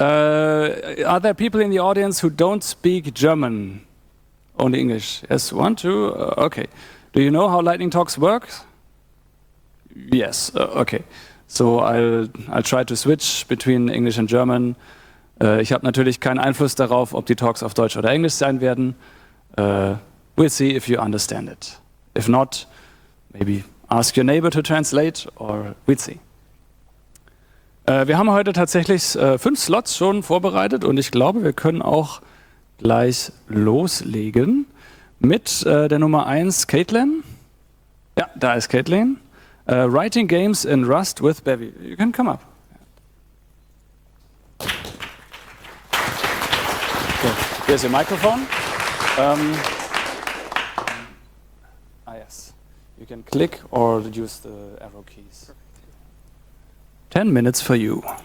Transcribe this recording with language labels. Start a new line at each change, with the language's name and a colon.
English: Are there people in the audience who don't speak German? Only English? Yes, one, two, okay. Do you know how Lightning Talks work? Yes, okay. So I'll try to switch between English and German.
German: Ich habe natürlich keinen Einfluss darauf, ob die Talks auf Deutsch oder Englisch sein werden.
English: We'll see if you understand it. If not, maybe ask your neighbor to translate or we'll see.
German: Wir haben heute tatsächlich 5 Slots schon vorbereitet und ich glaube, wir können auch gleich loslegen mit der Nummer 1, Caitlin. Ja, da ist Caitlin.
English: Writing Games in Rust with Bevy. You can come up. Okay. Here's your microphone. Yes. You can click or use the arrow keys. 10 minutes for you.